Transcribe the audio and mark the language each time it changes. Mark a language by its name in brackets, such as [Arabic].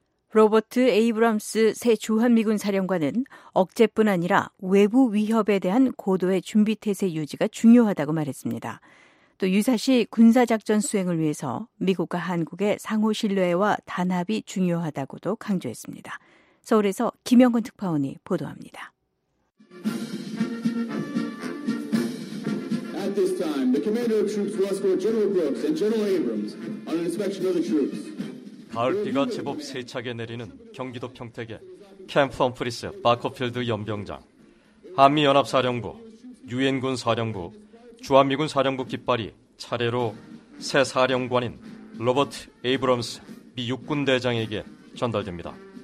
[Korean] 로버트 에이브람스 새 주한미군 사령관은 억제뿐 아니라 외부 위협에 대한 고도의 준비태세 유지가 중요하다고 말했습니다. 또 유사시 군사작전 수행을 위해서 미국과 한국의 상호 신뢰와 단합이 중요하다고도 강조했습니다. 서울에서 김영근 특파원이 보도합니다. [English] At this time, the commander of troops will escort General Brooks and General Abrams on an inspection of the troops. [Korean] 가을비가 제법 세차게 내리는 경기도 평택의 캠프 험프리스 바커필드 연병장, 한미연합사령부, 유엔군 사령부, 주한미군 사령부 깃발이 차례로 새 사령관인 로버트 에이브럼스 미 육군대장에게 전달됩니다.